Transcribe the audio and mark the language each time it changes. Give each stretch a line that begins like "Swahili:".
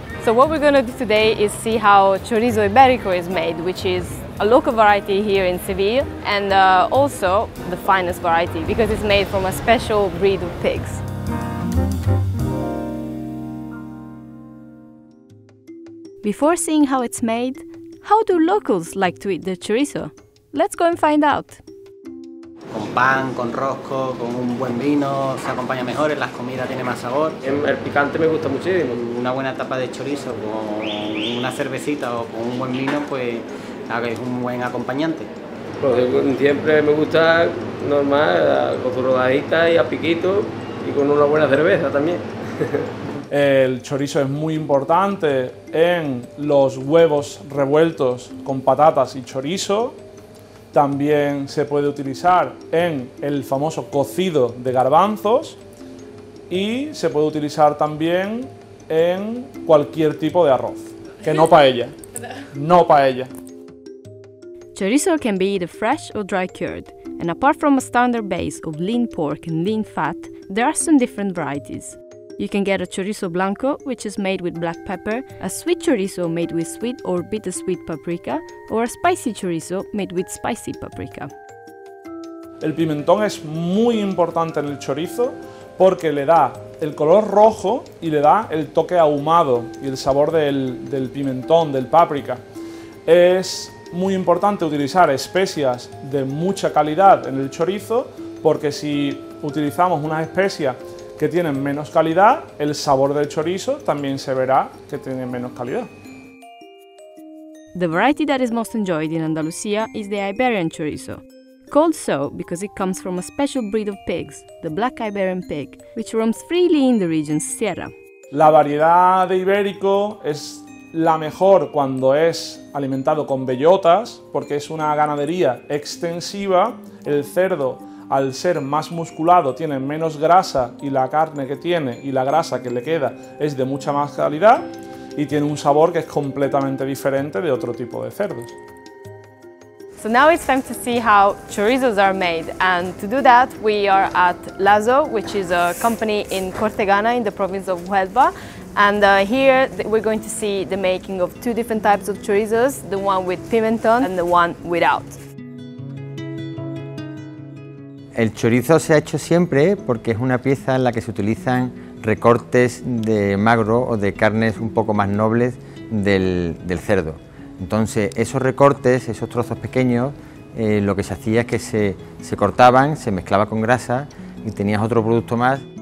English: So what we're going to do today is see how chorizo iberico is made, which is a local variety here in Seville, and also the finest variety because it's made from a special breed of pigs. Before seeing how it's made, how do locals like to eat the chorizo? Let's go and find out.
Spanish: Con pan, con rosco, con un buen vino, se acompaña mejor, las comidas tiene más sabor. El picante me gusta muchísimo. Una buena tapa de chorizo con una cervecita o con un buen vino, pues es un buen acompañante. Pues siempre me gusta normal, con su rodajita y a piquito, y con una buena cerveza también. El chorizo es muy importante en los huevos revueltos con patatas y chorizo. También se puede utilizar en el famoso cocido de garbanzos y se puede utilizar también en cualquier tipo de arroz, que no paella, no paella.
English: Chorizo can be either fresh or dry cured, and apart from a standard base of lean pork and lean fat, there are some different varieties. You can get a chorizo blanco, which is made with black pepper, a sweet chorizo made with sweet or bittersweet paprika, or a spicy chorizo made with spicy paprika.
Spanish: El pimentón es muy importante en el chorizo porque le da el color rojo y le da el toque ahumado y el sabor del pimentón, del paprika. Es muy importante utilizar especias de mucha calidad en el chorizo porque si utilizamos unas especias que tienen menos calidad, el sabor del chorizo también se verá que tiene menos calidad.
English: The variety that is most enjoyed in Andalusia is the Iberian chorizo, called so because it comes from a special breed of pigs, the black Iberian pig, which roams freely in the region's sierra.
Spanish: La variedad de ibérico es la mejor cuando es alimentado con bellotas, porque es una ganadería extensiva. El cerdo, al ser más musculado, tiene menos grasa y la carne que tiene y la grasa que le queda es de mucha más calidad y tiene un sabor que es completamente diferente de otro tipo de cerdos.
English: So now it's time to see how chorizos are made, and to do that we are at Lazo, which is a company in Cortegana in the province of Huelva, and here we're going to see the making of two different types of chorizos, the one with pimenton and the one without.
Spanish: El chorizo se ha hecho siempre porque es una pieza en la que se utilizan recortes de magro o de carnes un poco más nobles del cerdo. Entonces esos recortes, esos trozos pequeños, lo que se hacía es que se cortaban, se mezclaba con grasa y tenías otro producto más.